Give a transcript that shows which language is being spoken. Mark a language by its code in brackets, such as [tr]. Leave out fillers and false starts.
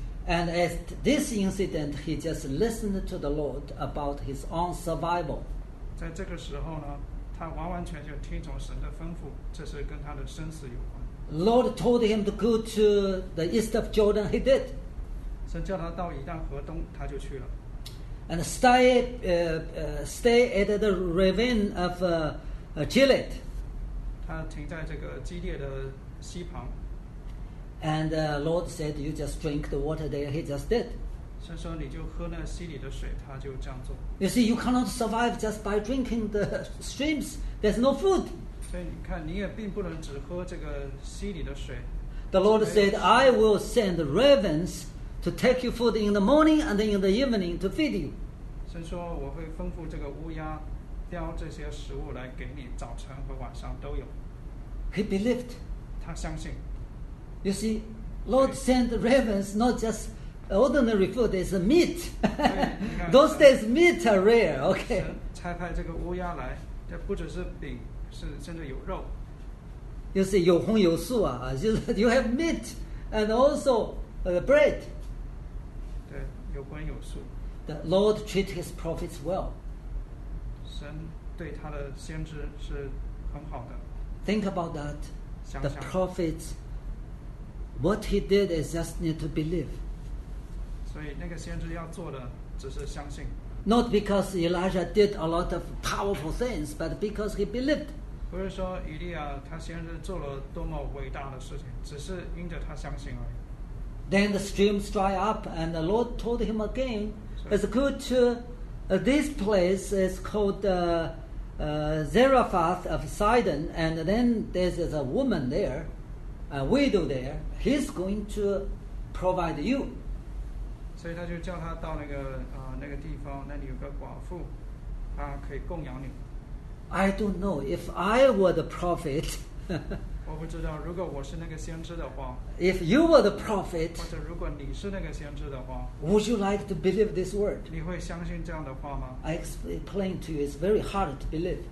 [en] And at this incident, he just listened to the Lord about his own survival. [zh] 在这个时候呢，他完完全全听从神的吩咐，这是跟他的生死有关。 [en] Lord told him to go to the east of Jordan. He did. [zh] 神叫他到以但河东，他就去了。 [en] And stay at the ravine of Gilead. [zh] 他停在这个基列的西旁。 [en] And Lord said, "You just drink the water there." He just did. [zh] 神说你就喝那溪里的水，他就这样做。 [en] You see, you cannot survive just by drinking the streams. There's no food. [zh] 所以你看，你也并不能只喝这个溪里的水。 [en] The Lord said, "I will send ravens." To take you food in the morning and in the evening to feed you. [zh] 神说我会吩咐这个乌鸦叼这些食物来给你，早晨和晚上都有。 [en] He believed. [zh] 他相信。 [en] You see, Lord sent ravens not just ordinary food, it's meat. Those days meat are rare, okay. [zh] 神差派这个乌鸦来，这不只是饼，是甚至有肉。 [en] You see, [zh] 有荤有素啊，就是 [en] you have meat and also bread. [zh] 有关有数。 [en] The Lord treated his prophets well. [zh] 神对他的先知是很好的。 [en] Think about that. [zh] 想想 [en] the prophets, what he did is just need to believe. [zh] 所以那个先知要做的只是相信。 [en] Not because Elijah did a lot of powerful things, but because he believed. [zh] 不是说以利亚他先知做了多么伟大的事情，只是因着他相信而已。 [en] Then the streams dry up, and the Lord told him again, "Let's go to this place. It's called Zarephath of Sidon. And then there's a woman there, a widow there. He's going to provide you." So he [zh] 就叫他到那个那个地方，那里有个寡妇，他可以供养你。 [en] I don't know if I were the prophet. [zh] 我不知道，如果我是那个先知的话 [en] ，If you were the prophet， [zh] 或者如果你是那个先知的话 [en] ，Would you like to believe this word？ [zh] 你会相信这样的话吗 [en] ？I explain to you, it's very hard to believe.